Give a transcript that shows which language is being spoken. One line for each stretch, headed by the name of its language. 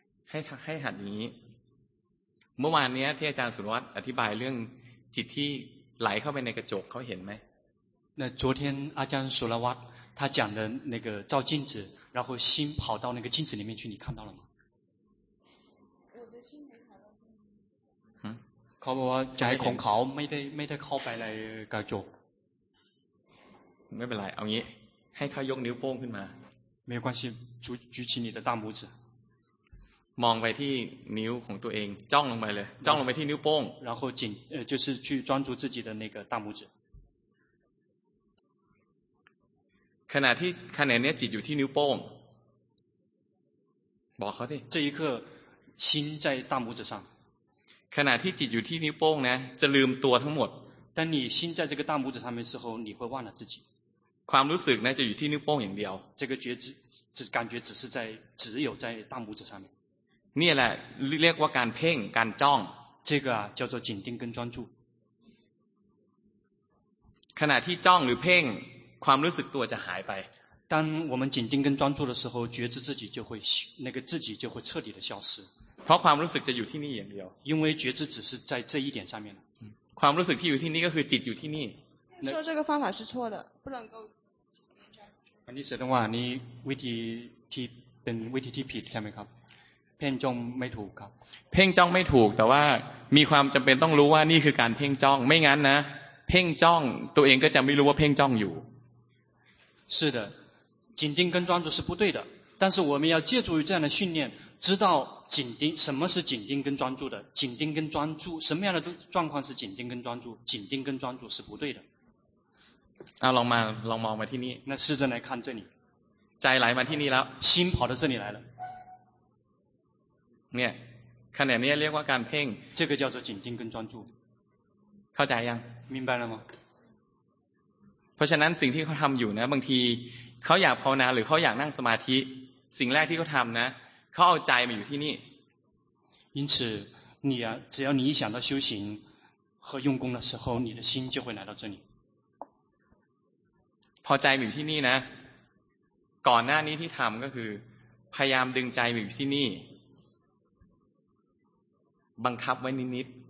Thai: ให้หัดนี้เมื่อวานนี้ที่อาจารย์สุรวัตรอธิบายเรื่องจิตที่ไหลเข้าไปในกระจกเขาเห็นไ
Chinese: หม那昨天阿江苏拉瓦他讲的那个照镜子然后心跑到那个镜子里面去你看到了吗我的心没跑到
Thai: เขาบอกว่าใจของเขาไม่ได้เข้าไปในกระจก ไม่เป็นไรเอางี้ให้เขายกนิ้วโป้งขึ้นมา
Chinese: 没有关系举起你的大拇指
Thai: มองไปที่นิ้วของตัวเองจ้องลงไปเลยจ้องลงไปที่นิ้วโป้ง
Chinese: 然后紧就是去专注自己的那个大拇指
Thai: ขณะที่ขณะนี้จิตอยู่ที่นิ้วโป้งบอกเขาดิ
Chinese: 这一刻心在大拇指上
Thai: ขณะที่จิตอยู่ที่นิ้วโป้งนะจะลืมตัวทั้งหมด
Chinese: 当你心在这个大拇指上面之后你会忘了自己
Thai: ความรู้สึกนะจะอยู่ที่นิ้วโป้งอย่างเดียว
Chinese: 这个觉知只感觉只是在只有在大拇指上面
Thai: นี่แหละเรียกว่าการเพ่งการจ้อง
Chinese: 这个叫做紧盯跟专注
Thai: ขณะที่จ้องหรือเพ่งความรู้สึกตัวจะหายไป
Chinese: 当我们紧盯跟专注的时候觉知自己就会那个自己就会彻底的消失
Thai: เพราะความรู้สึกจะอยู่ที่นี่อย่างเดียว
Chinese: 因为觉知只是在这一点上面
Thai: ความรู้สึกที่อยู่ที่นี่ก็คือจิตอยู่ที่นี่
Chinese: 说这个方法是错的不能够
Thai: อันนี้แสดงว่านี่วิธีที่เป็นวิธีที่ผิดใช่ไหมครับเพ่งจ้องไม่ถูกครับ เพ่งจ้องไม่ถูกแต่ว่ามีความจำเป็นต้องรู้ว่านี่คือการเพ่งจ้องไม่งั้นนะเพ่งจ้องตัวเองก็จะไม่รู้ว่าเพ่งจ้องอยู่
Chinese: 是的紧盯跟专注是不对的但是我们要借助于这样的训练知道紧盯什么是紧盯跟专注的紧盯跟专注什么样的状况是紧盯跟专注紧盯跟专注是不对的
Thai: ลองมองมาที่นี่
Chinese: 那试着来看这里
Thai: ใจไหลมาที่นี่แล้ว
Chinese: 心跑到这里来了
Thai: เนี่ยขณะนี้เรียกว่าการเพ่ง
Chinese: 这个叫做紧盯跟专注
Thai: เข้าใจยัง
Chinese: 明白了吗
Thai: เพราะฉะนั้นสิ่งที่เขาทำอยู่นะบางทีเขาอยากภาวนาหรือเขาอยากนั่งสมาธิสิ่งแรกที่เขาทำนะเขาเอาใจมาอยู่ที่นี่
Chinese: 因此你啊只要你一想到修行和用功的时候你的心就会来到这里
Thai: พอใจมาอยู่ที่นี่นะก่อนหน้านี้ที่ทำก็คือพยายามดึงใจมาอยู่ที่นี่บังคับไว้นิด